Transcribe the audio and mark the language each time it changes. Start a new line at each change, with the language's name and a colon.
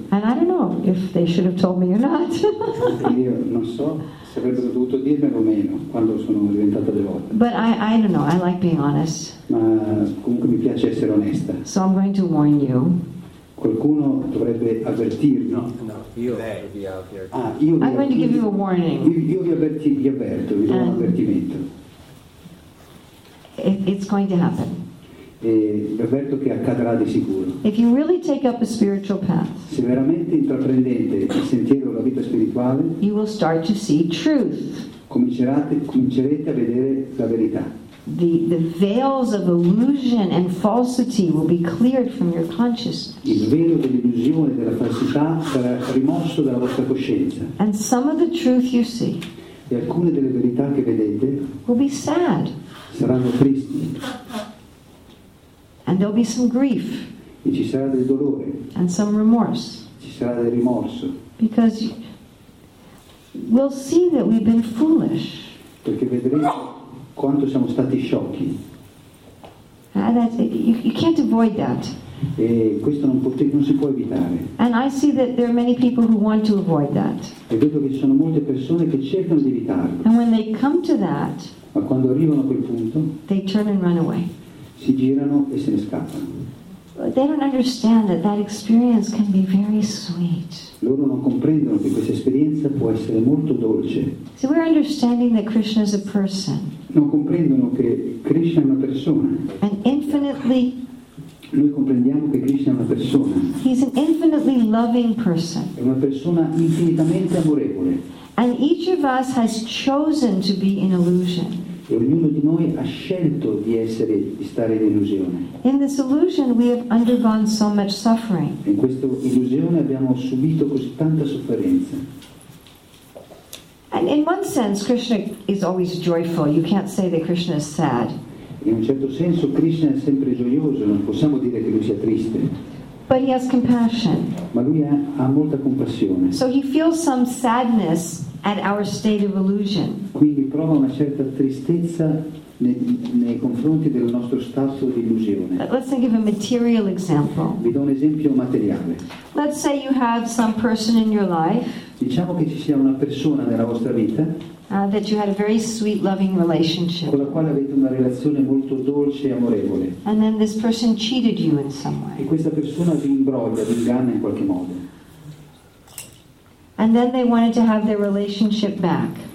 English: And I don't know if they should have told me or not.
Italian: Io non so se avrebbero dovuto dirmelo o meno quando sono diventata devota.
English: But I don't know. I like being honest.
Italian: Ma comunque mi piace essere onesta.
English: So I'm going to warn you.
Italian: Qualcuno dovrebbe avvertirlo.
English: No,
Italian: io.
English: I'm going to give you a warning.
Italian: Io vi avverto, vi do un avvertimento.
English: It's going to happen.
Italian: E vi avverto che accadrà di sicuro.
English: If you really take up a spiritual path,
Italian: se veramente intraprendete il sentiero della vita spirituale,
English: you will start to see truth.
Italian: Comincerete a vedere la verità.
English: The veils of illusion and falsity will be cleared from your consciousness.
Italian: Il velo dell'illusione e della falsità sarà rimosso dalla vostra coscienza.
English: And some of the truth you see.
Italian: E alcune delle verità che vedete
English: will be sad.
Italian: Saranno tristi.
English: And there'll be some grief.
Italian: E ci sarà del dolore.
English: And some remorse.
Italian: Ci sarà del rimorso.
English: Because we'll see that we've been foolish.
Italian: Perché vedremo quanto siamo stati sciocchi.
English: You can't avoid that.
Italian: E questo non si può evitare.
English: And I see that there are many people who want to avoid that.
Italian: E vedo che ci sono molte persone che cercano di evitarlo.
English: And when they come to that,
Italian: ma quando arrivano a quel punto,
English: they turn and run away.
Italian: Si girano e se ne scappano.
English: But they don't understand that experience can be very sweet.
Italian: Loro non comprendono che questa esperienza può essere molto dolce.
English: So we're understanding that Krishna is a person.
Italian: Non comprendono che Krishna è una persona.
English: And infinitely,
Italian: noi comprendiamo che Krishna è una persona.
English: He's an infinitely loving person.
Italian: È una persona infinitamente amorevole.
English: And each of us has chosen to be in illusion.
Italian: E ognuno di noi ha scelto di stare in illusione.
English: In this illusion we have undergone so much suffering.
Italian: In questa illusione abbiamo subito così tanta sofferenza.
English: And in one sense, Krishna is always joyful. You can't say that Krishna is sad.
Italian: In un certo senso, Krishna è sempre gioioso. Non possiamo dire che lui sia triste.
English: But he has compassion.
Italian: Ma lui ha molta compassione.
English: So he feels some sadness at our state of illusion.
Italian: Quindi prova una certa tristezza nei confronti del nostro stato di illusione.
English: Let's think of a material example.
Italian: Vi do un esempio materiale.
English: Let's say you have some person in your life.
Italian: Diciamo che ci sia una persona nella vostra vita.
English: That you had a very sweet, loving relationship.
Italian: Con la quale avete una relazione molto dolce e amorevole.
English: And then this person cheated you in some way.
Italian: E questa persona vi imbroglia, vi inganna in qualche modo.
English: And then they wanted to have their relationship back.